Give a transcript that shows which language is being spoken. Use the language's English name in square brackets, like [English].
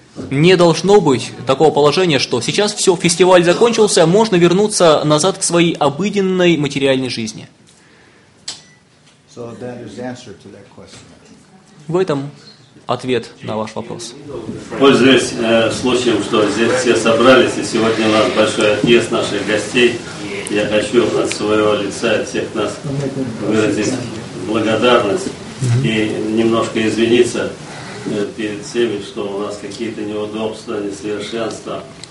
[Russian] Не должно быть такого положения, что сейчас все, фестиваль закончился, можно вернуться назад к своей обыденной материальной жизни. [English] So that is the answer to that question. [Russian] В этом ответ на ваш вопрос. Пользуясь случаем, что здесь все собрались, и сегодня у нас большой отъезд наших гостей, я хочу от своего лица, от всех нас выразить благодарность и немножко извиниться перед всеми, что у нас какие-то неудобства, несовершенства.